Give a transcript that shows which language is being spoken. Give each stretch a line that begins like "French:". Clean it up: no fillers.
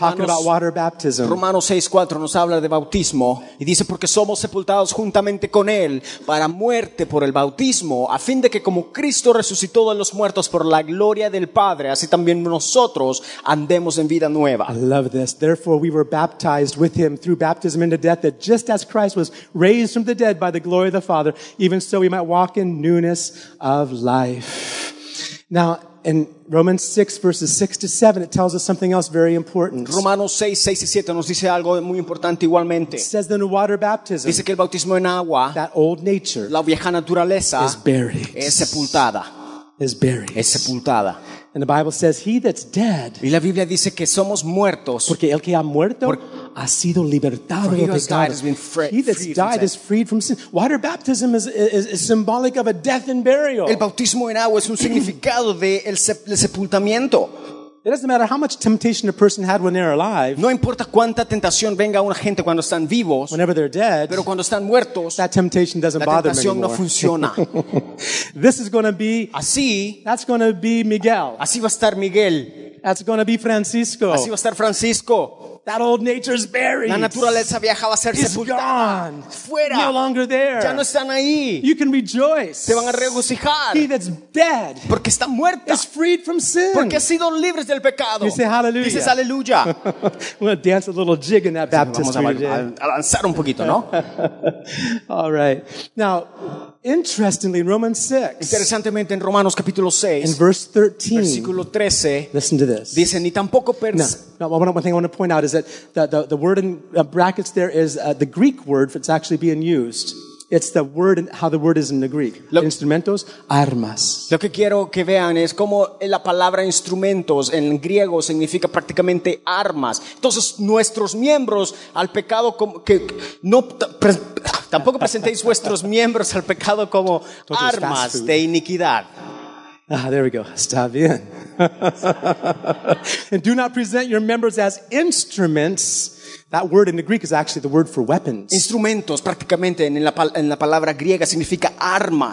English: talking about water baptism.
Spanish: Romanos 6:4 nos habla de bautismo y dice porque somos sepultados juntamente con él para muerte por el bautismo a fin de que como Cristo resucitó de los muertos por la gloria del Padre así también nosotros andemos en vida nueva.
English: I love this. Therefore we were baptized with him through baptism into death that just as Christ was raised from the dead by the glory of the Father even so we might walk in newness of life. Now in Romans 6 verses 6 to 7 it tells us something else very important.
Spanish: Romanos 6:6-7 nos dice algo muy importante igualmente.
English: It says that in water baptism,
Spanish: dice que el bautismo en agua,
English: that old nature,
Spanish: la vieja naturaleza,
English: is buried.
Spanish: Es sepultada.
English: Is buried.
Spanish: Es sepultada.
English: And the Bible says he that's dead,
Spanish: y la Biblia dice que somos muertos, porque el que ha muerto ha sido libertado de pecado.
English: He that's died is freed from sin. Water baptism is symbolic of a death and burial.
Spanish: El bautismo en agua es un significado de el sepultamiento.
English: It doesn't matter how much temptation a person had when they're alive.
Spanish: No importa cuánta tentación venga a una gente cuando están vivos.
English: Whenever they're dead.
Spanish: Pero cuando están muertos.
English: That temptation doesn't bother them anymore.
Spanish: No funciona.
English: This is going to be.
Spanish: Así.
English: That's going to be Miguel.
Spanish: Así va a estar Miguel.
English: That's going to be Francisco.
Spanish: Así va a estar Francisco.
English: That old nature's buried.
Spanish: La naturaleza vieja va a ser sepultada. Fuera.
English: No longer there.
Spanish: Ya no están ahí.
English: You can rejoice.
Spanish: Se van a regocijar.
English: He that's dead.
Spanish: Porque está muerta.
English: Is freed from sin.
Spanish: Porque ha sido libres del pecado.
English: You say hallelujah.
Spanish: Dices aleluya.
English: We're going to dance a little jig in that baptistry.
Spanish: Vamos a lanzar un poquito, ¿no?
English: All right. Now, interestingly, in Romans 6.
Spanish: Interesantemente, en Romanos capítulo 6.
English: In verse 13.
Spanish: Versículo 13.
English: Listen to this.
Spanish: Dice, ni tampoco perdes.
English: No, one thing I want to point out is that the word in brackets there is the Greek word that's actually being used. It's the word and how the word is in the Greek.
Spanish: Instrumentos, armas. Lo que quiero que vean es cómo la palabra instrumentos en griego significa prácticamente armas. Entonces, nuestros miembros al pecado como que no tampoco presentéis vuestros miembros al pecado como armas de iniquidad.
English: Ah, there we go.
Spanish: Está bien.
English: And do not present your members as instruments. That word in the Greek is actually the word for weapons.
Spanish: Instrumentos, prácticamente, en la palabra griega significa armas.